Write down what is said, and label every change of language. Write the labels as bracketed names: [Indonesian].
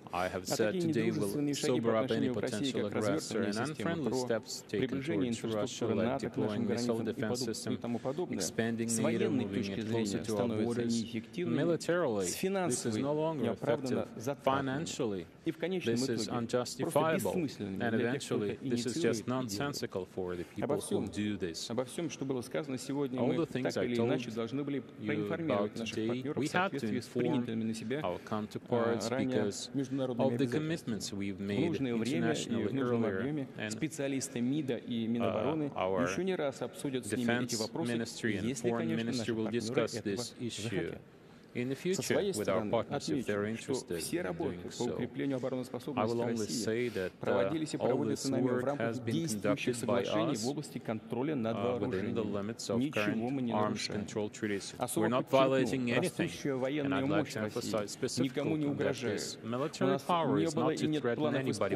[Russian] А такие недружественные шаги по отношению к России, как развертывание системы ПРО, приближение инфраструктуры НАТО к нашим границам и тому подобное, с военной точки зрения становятся неэффективными, с финансовой неоправданно затратными и в конечном итоге просто бессмысленными для тех, кто это инициирует и делает. Обо всем, что было сказано сегодня, мы так или иначе должны были проинформировать наших партнеров. [English] We have to inform our counterparts because of the commitments we've made internationally earlier. And [Russian] специалисты МИДа и Минобороны еще не раз обсудят с ними эти вопросы, если, конечно, наши партнеры этого захотят. [English] In the future, with our partners, if they're interested in doing so, I will only say that all this work has been conducted by us within the limits of current arms control treaties. We're not violating anything, and I'd like to emphasize specifically that this military power is not to threaten anybody.